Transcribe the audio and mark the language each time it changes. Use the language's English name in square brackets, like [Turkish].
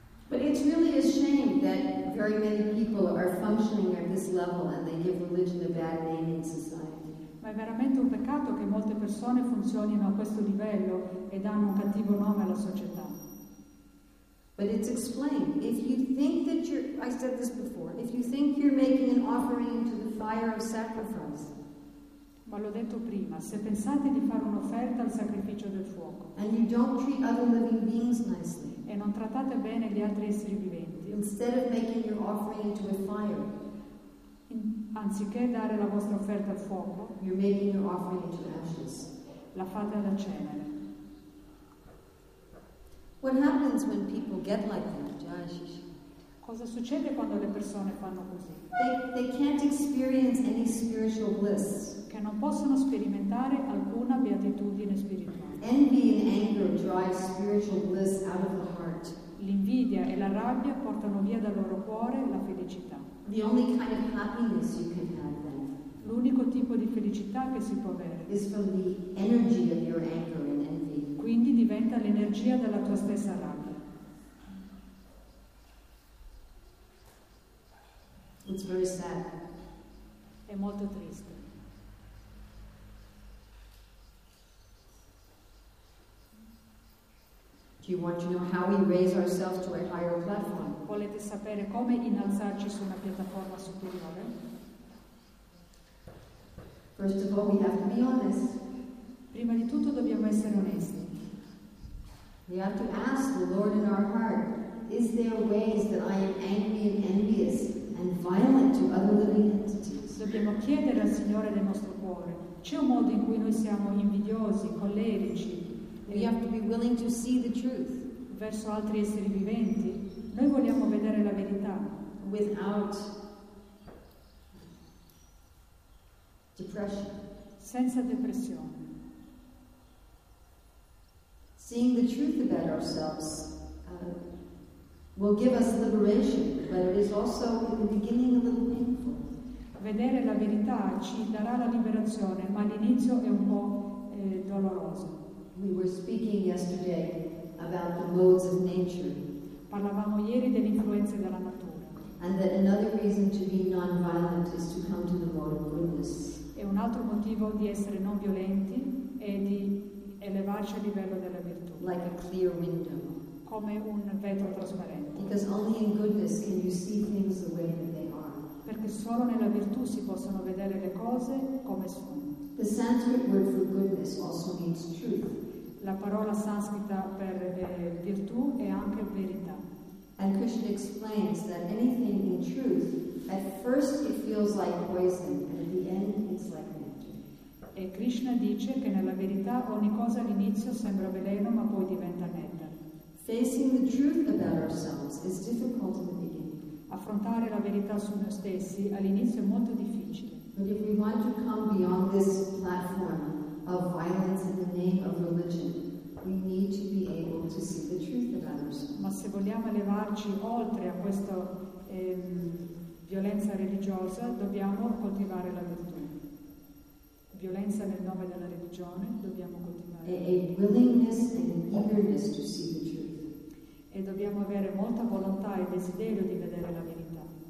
[English] But it's really a shame that very many people are functioning at this level and they give religion a bad name in society. [Italian] Ma è veramente un peccato che molte persone funzionino a questo livello e danno un cattivo nome alla società. [English] But it's explained. If you think that you're, I said this before, if you think you're making an offering to the fire of sacrifice. [Italian] Ma l'ho detto prima, se pensate di fare un'offerta al sacrificio del fuoco. [English] And you don't treat other living beings nicely. [Italian] E non trattate bene gli altri esseri viventi. [English] Instead of making your offering to a fire. [Italian] Anziché dare la vostra offerta al fuoco, [English] you're making your offering to ashes. [Italian] La fate alla cenere. [English] What happens when people get like that? [Italian] Cosa succede quando le persone fanno così? [English] They can't experience any spiritual bliss. [Italian] Che non possono sperimentare alcuna beatitudine spirituale. [English] Envy and anger drive spiritual bliss out of the heart. [Italian] L'invidia e la rabbia portano via dal loro cuore la felicità. [English] The only kind of happiness you can have then. [Italian] L'unico tipo di felicità che si può avere. [English] Is from the energy of your anger and envy. [Italian] Quindi diventa l'energia della tua stessa rabbia. [English] It's very sad. [Italian] È molto triste. [English] Do you want to know how we raise ourselves to a higher platform? [Italian] Volete sapere come innalzarci su una piattaforma superiore? [English] First of all, we have to be honest. [Italian] Prima di tutto dobbiamo essere onesti. [English] We have to ask the Lord in our heart, is there ways that I am angry and envious and violent to other living entities? [Italian] Dobbiamo chiedere al Signore nel nostro cuore, c'è un modo in cui noi siamo invidiosi, collerici? [English] We have to be willing to see the truth. [Italian] Verso altri esseri viventi. Noi vogliamo vedere la verità. [English] Without depression. [Italian] Senza depressione. [English] Seeing the truth about ourselves will give us liberation, but it is also in the beginning a little painful. [Italian] Vedere la verità ci darà la liberazione, ma all'inizio è un po' doloroso. [English] We were speaking yesterday about the modes of nature. [Italian] Parlavamo ieri delle influenze della natura. [English] And that another reason to be non-violent is to come to the mode of goodness. [Italian] E un altro motivo di essere non violenti è di elevarci al livello della virtù. [English] Like a clear window. [Italian] Come un vetro trasparente. [English] Because only in goodness can you see things the way that they are. [Italian] Perché solo nella virtù si possono vedere le cose come sono. [English] The Sanskrit word for goodness also means truth. [Italian] La parola sanscrita per virtù è anche verità. [English] And Krishna explains that anything in truth, at first it feels like poison, and at the end it's like [Italian] e Krishna dice che nella verità ogni cosa all'inizio sembra veleno ma poi diventa netta. [English] Facing the truth about ourselves is difficult in the beginning. [Italian] Affrontare la verità su noi stessi all'inizio è molto difficile. [English] But if we want to come beyond this platform of violence in the name of religion, we need to be able to see the truth about ourselves. [Italian] Ma se vogliamo elevarci oltre a questa violenza religiosa, dobbiamo coltivare la virtù. Violenza nel nome della religione, dobbiamo coltivare [English] a willingness and an eagerness to see the truth. [Italian] E dobbiamo avere molta volontà e desiderio di vedere la verità.